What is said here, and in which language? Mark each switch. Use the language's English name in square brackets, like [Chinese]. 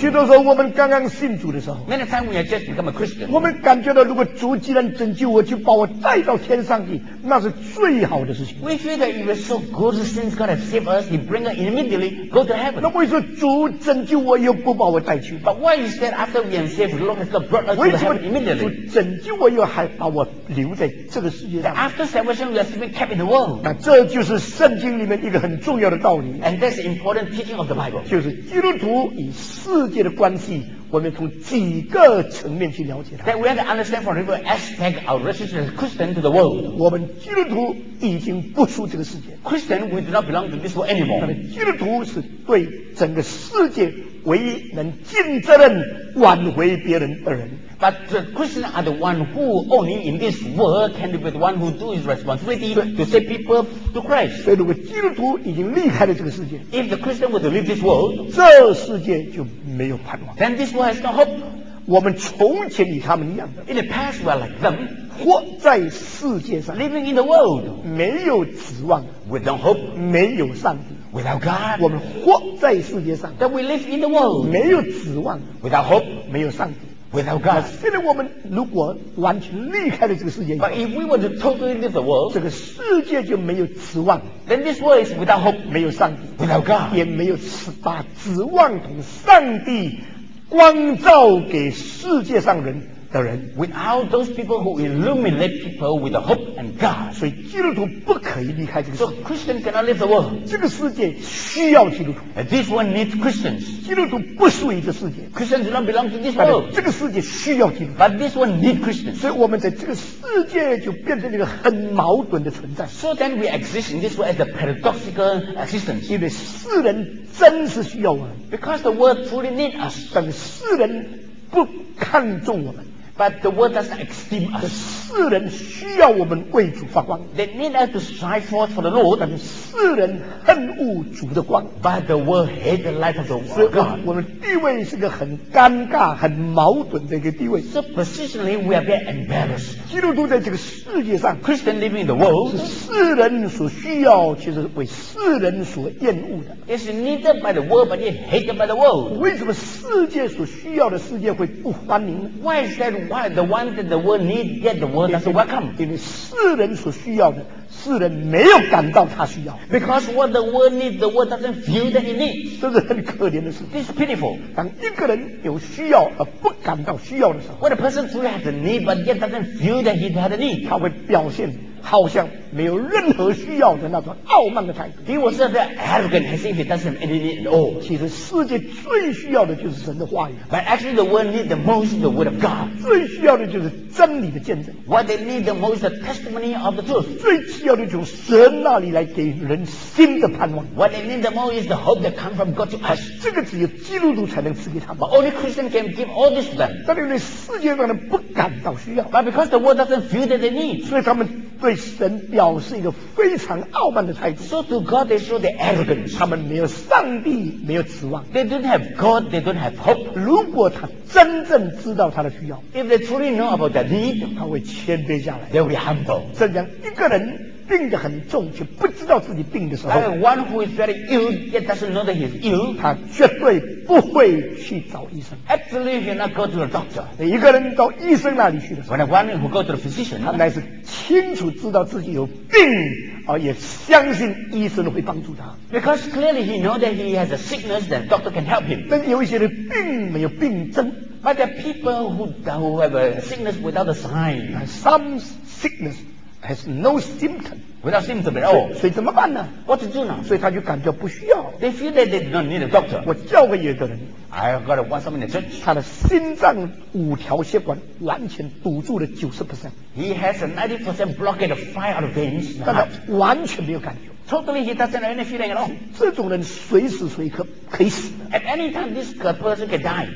[Chinese] 许多时候，我们刚刚信主的时候 [English] ，Many times we have just become a Christian. [Chinese] 我们感觉到，如果主既然拯救我，就把我带到天上去，那是最好的事情。 [English] We feel that if it's so good, since God has saved us, He bring us immediately go to heaven. [Chinese] 那为什么主拯救我又不把我带去 [English] ？But why is that after we have saved, Lord has not brought us to heaven immediately? [Chinese] 主拯救我又还把我留在这个世界上。 [English] After salvation, we are still kept in the world. [Chinese] 那这就是圣经里面一个很重要的道理。 [English] And that's the important teaching of the Bible. [Chinese] 就是基督徒与世界的关系，我们从几个层面去了解它。 [English] That we have to understand from every aspect our relationship as Christian to the world. [Chinese] 我们基督徒已经不属这个世界。 [English] Christian, we do not belong to this world anymore. [Chinese] 那么基督徒是对整个世界唯一能尽责任挽回别人的人。 [English] But the Christians are the one who only in this world can be the one who do his responsibility to save people to Christ. [Chinese] 所以如果基督徒已经离开了这个世界， [English] if the Christian were to leave this world, [Chinese] 这世界就没有盼望。 [English] Then this world has no hope. [Chinese] 我们从前与他们一样。 [English] In the past we are like them. [Chinese] 活在世界上。 [English] Living in the world. [Chinese] 没有指望。 [English] With no hope. [Chinese] 没有上帝。 [English] Without God, [Chinese] 我们活在世界上。 [English] That we live in the world. [Chinese] 没有指望。 [English] Without hope. [Chinese] 没有上帝。 [English] Without God, [Chinese] 现在我们如果完全离开了这个世界， [English] But if we were to totally leave the world, [Chinese] 这个世界就没有指望。 [English] Then this world is without hope, [Chinese] 没有上帝。 [English] Without God, [Chinese] 也没有把指望同上帝光照给世界上人的人。 [English] Without those people who illuminate people with the hope and God, [Chinese] 所以基督徒不可以离开这个世界。 [English] So Christian cannot leave the world. [Chinese] 这个世界需要基督徒。 [English] And this one needs Christians. [Chinese] 基督徒不属于这世界。 [English] Christians do not belong to this world. [Chinese] 这个世界需要基督徒。 [English] But this one needs Christians. [Chinese] 所以我们在这个世界就变成一个很矛盾的存在。 [English] So then we exist in this world as a paradoxical existence. [Chinese] 因为世人真是需要我们。 [English] Because the world truly needs us. [Chinese] 但世人不看重我们。 [English] But the world doesn't esteem us. [Chinese] 世人需要我们为主发光。 [English] They need us to shine forth for the Lord. [Chinese] 但世人恨恶主的光。 [English] But the world hates the light of the world. [Chinese] 所以我们地位是个很尴尬、很矛盾的一个地位。 [English] So positionally, we are very embarrassed. [Chinese] 基督徒在这个世界上 [English] ，Christian living in the world， [Chinese] 是世人所需要，其实为世人所厌恶的。 [English] It's needed by the world, but it's hated by the world. [Chinese] 为什么世界所需要的世界会不欢迎 [English] ？Why is that? Why the one that the world need yet the world doesn't welcome? [Chinese] 因为世人所需要的，世人没有感到他需要。 [English] Because what the world need, the world doesn't feel that it needs. [Chinese] 这是很可怜的事。 [English] This is pitiful. [Chinese] 当一个人有需要而不感到需要的时候 [English] ，When a person truly has a need but yet doesn't feel that he has a need, [Chinese] 他会表现好像没有任何需要的那种傲慢的态度。 [English] He was that arrogant as if he doesn't have any need at all. [Chinese] 其实世界最需要的就是神的话语。 [English] But actually, the world needs the most the word of God. [Chinese] 最需要的就是真理的见证。 [English] What they need the most the testimony of the truth. [Chinese] 最需要的就是神那里来给人新的盼望。 [English] What they need the most is the hope that comes from God to us. [Chinese] 这个只有基督徒才能赐给他们。 [English] But only Christian can give all this to them. [Chinese] 但因为世界上的不感到需要。 [English] But because the world doesn't feel that they need. [Chinese] 所以他们对神表示一个非常傲慢的态度。 [English] So to God they show the arrogance. [Chinese] 他们没有上帝，没有指望。 [English] They don't have God, they don't have hope. [Chinese] 如果他真正知道他的需要， [English] If they truly know about their need, [Chinese] 他会谦卑下来。 [English] They will be humble. [Chinese] 正像一个人病得很重，却不知道自己病的时候， [English] Like one who is very ill, yet doesn't know that he is ill. [Chinese] 他绝对不会去找医生。 [English] Actually, he will not go to the doctor. [Chinese] 一个人到医生那里去的时候， [English] When one who go to the physician, [Chinese] 他乃是清楚知道自己有病，而也相信医生会帮助他。 [English] Because clearly he knows that he has a sickness that doctor can help him. [Chinese] 但有一些人病没有病症。 [English] But there are people who have a sickness without a sign. Some sickness. Has no symptom. Without symptom at all. [Chinese] 所以怎么办呢？ [English] What to do now? [Chinese] 所以他就感觉不需要。 [English] They feel that they do not need a doctor. [Chinese] 我教会有一个人。 [English] I got one something in the church. [Chinese] 他的心脏五条血管完全堵住了 90%. [English] He has a 90% blockage of five out of veins. [Chinese] 但他完全没有感觉。 [English] Totally, he doesn't have any feeling at all. [Chinese] 这种人随时随刻可以死。 [English] At any time, this person can die.